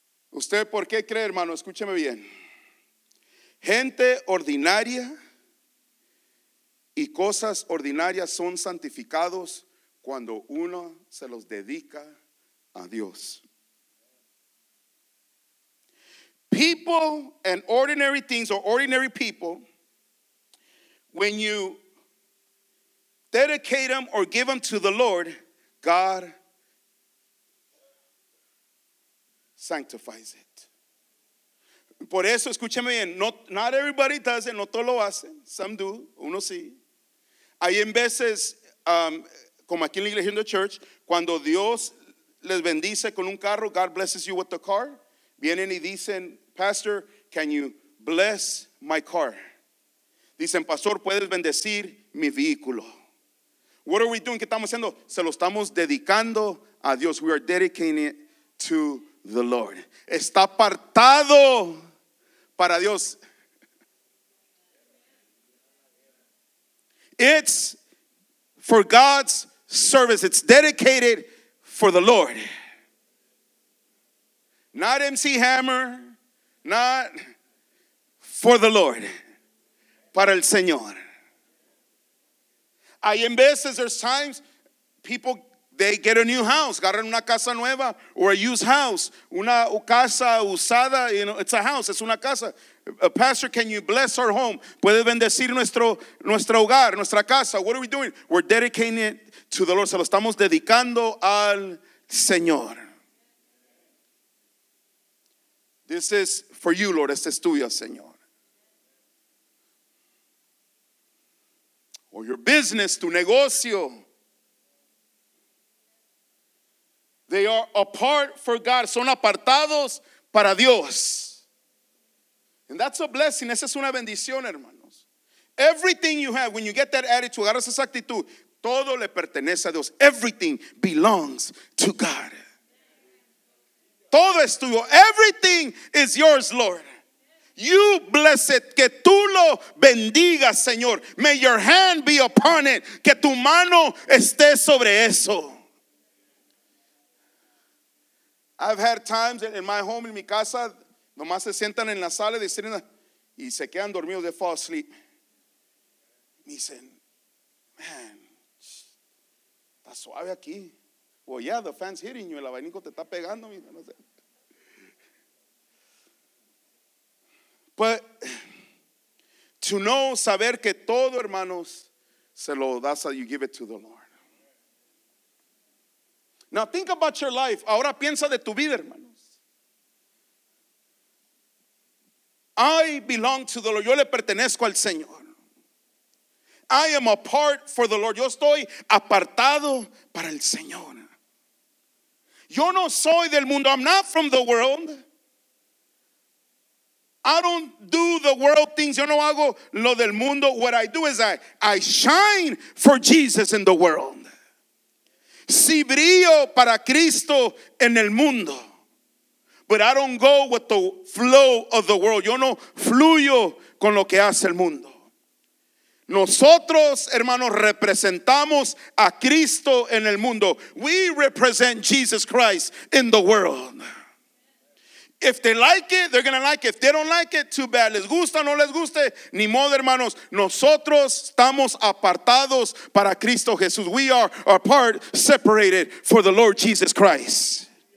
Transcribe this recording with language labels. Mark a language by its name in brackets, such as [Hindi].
[Spanish] ¿Usted por qué cree, hermano? Escúcheme bien. Gente ordinaria y cosas ordinarias son santificados cuando uno se los dedica a Dios. [English] People and ordinary things, or ordinary people, when you dedicate them or give them to the Lord, God sanctifies it. [Spanish] Por eso, escúcheme bien, [English] not everybody does it, [Spanish] no todos lo hacen, [English] some do, [Spanish] uno sí. Hay en veces, como aquí en la iglesia, en [English] the church, [Spanish] cuando Dios les bendice con un carro, [English] God blesses you with a car, [Spanish] vienen y dicen, Pastor, [English] can you bless my car? [Spanish] Dicen, Pastor, puedes bendecir mi vehículo. [English] What are we doing? [Spanish] ¿Qué estamos haciendo? Se lo estamos dedicando a Dios. [English] We are dedicating it to the Lord. [Spanish] Está apartado para Dios. [English] It's for God's service. It's dedicated for the Lord. Not MC Hammer. Not for the Lord. [Spanish] Para el Señor. Hay en veces, [English] there's times people, they get a new house, [Spanish] agarran una casa nueva, [English] or a used house, [Spanish] una casa usada, [English] you know, it's a house, [Spanish] es una casa. [English] A pastor, can you bless our home? [Spanish] ¿Puedes bendecir nuestro hogar, nuestra casa? [English] What are we doing? We're dedicating it to the Lord. [Spanish] Se lo estamos dedicando al Señor. [English] This is for you, Lord. [Spanish] Este es tuyo, Señor. [English] Or your business, [Spanish] tu negocio. [English] They are apart for God. [Spanish] Son apartados para Dios. [English] And that's a blessing. [Spanish] Esa es una bendición, hermanos. [English] Everything you have, when you get that attitude, [Spanish] agarras esa actitud, todo le pertenece a Dios. [English] Everything belongs to God. [Spanish] Todo es tuyo. [English] Everything is yours, Lord. You bless it, que tú lo bendigas, Señor. May your hand be upon it, [Spanish] que tu mano esté sobre eso. [English] I've had times in my home, [Spanish] en mi casa, nomás se sientan en la sala y se quedan dormidos, [English] they fall asleep. [Spanish] Dicen, man, está suave aquí. [English] Well, yeah, the fan's hitting you, [Spanish] el abanico te está pegando, no sé. [English] But to know, [Spanish] saber que todo, hermanos, se lo das a, [English] you give it to the Lord. Now think about your life. [Spanish] Ahora piensa de tu vida, hermanos. [English] I belong to the Lord. [Spanish] Yo le pertenezco al Señor. [English] I am apart for the Lord. [Spanish] Yo estoy apartado para el Señor. Yo no soy del mundo. [English] I'm not from the world. I don't do the world things. [Spanish] Yo no hago lo del mundo. [English] What I do is I shine for Jesus in the world. [Spanish] Si brillo para Cristo en el mundo. [English] But I don't go with the flow of the world. [Spanish] Yo no fluyo con lo que hace el mundo. Nosotros, hermanos, representamos a Cristo en el mundo. [English] We represent Jesus Christ in the world. If they like it, they're going to like it. If they don't like it, too bad. [Spanish] Les gusta, no les guste. Ni modo, hermanos. Nosotros estamos apartados para Cristo Jesús. [English] We are apart, separated for the Lord Jesus Christ.